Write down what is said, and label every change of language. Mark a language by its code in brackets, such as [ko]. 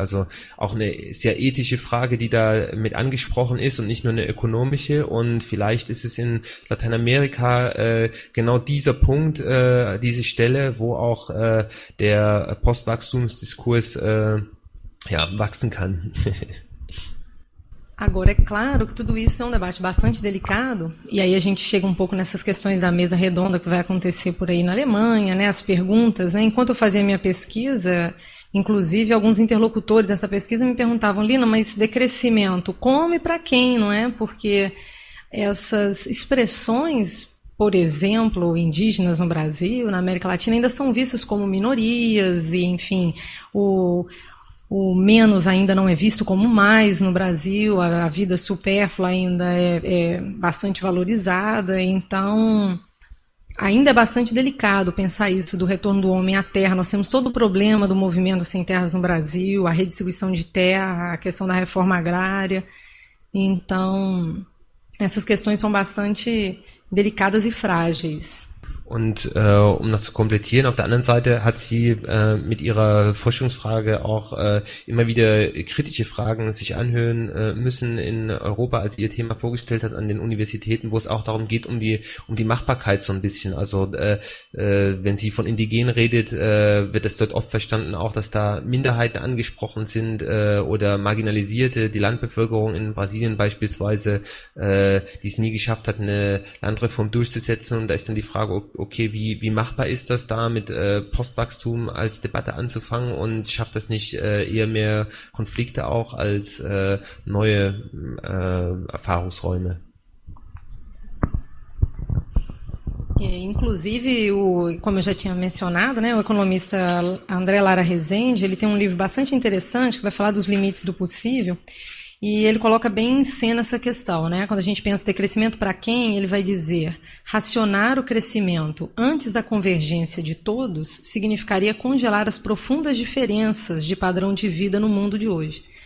[de] Also auch eine sehr ethische Frage, die da mit angesprochen ist und nicht nur eine ökonomische. Und vielleicht ist es in Lateinamerika genau dieser Punkt, diese Stelle, wo auch der Postwachstumsdiskurs wachsen kann. [pt] Agora, é claro que tudo isso é um debate bastante delicado, e aí a gente chega um pouco nessas questões da mesa redonda que vai acontecer por aí na Alemanha, né? As perguntas, né? Enquanto eu fazia minha pesquisa, inclusive alguns interlocutores dessa pesquisa me perguntavam, Lina, mas decrescimento, como e para quem, não é? Porque essas expressões, por exemplo, indígenas no Brasil, na América Latina, ainda são vistas como minorias, e enfim, o menos ainda não é visto como mais no Brasil, a vida supérflua ainda é bastante valorizada, então ainda é bastante delicado pensar isso do retorno do homem à terra. Nós temos todo o problema do movimento sem terras no Brasil, a redistribuição de terra, a questão da reforma agrária, então essas questões são bastante delicadas e frágeis. [de] Und um noch zu komplettieren, auf der anderen Seite hat sie mit ihrer Forschungsfrage auch immer wieder kritische Fragen sich anhören müssen in Europa, als sie ihr Thema vorgestellt hat an den Universitäten, wo es auch darum geht, um die Machbarkeit so ein bisschen. Also wenn sie von Indigenen redet, wird das dort oft verstanden, auch dass da Minderheiten angesprochen sind oder Marginalisierte, die Landbevölkerung in Brasilien beispielsweise, die es nie geschafft hat, eine Landreform durchzusetzen. Und da ist dann die Frage, okay, wie machbar ist das da mit Postwachstum als Debatte anzufangen und schafft das nicht eher mehr Konflikte auch als neue Erfahrungsräume? [pt] Inclusive, como eu já tinha mencionado, né, o economista André Lara Rezende, ele tem um livro bastante interessante que vai falar dos limites do possível. E ele coloca bem em cena essa questão, né? Quando a gente pensa em decrescimento para quem, ele vai dizer: racionar o crescimento antes da convergência de todos significaria congelar as profundas diferenças de padrão de vida no mundo de hoje.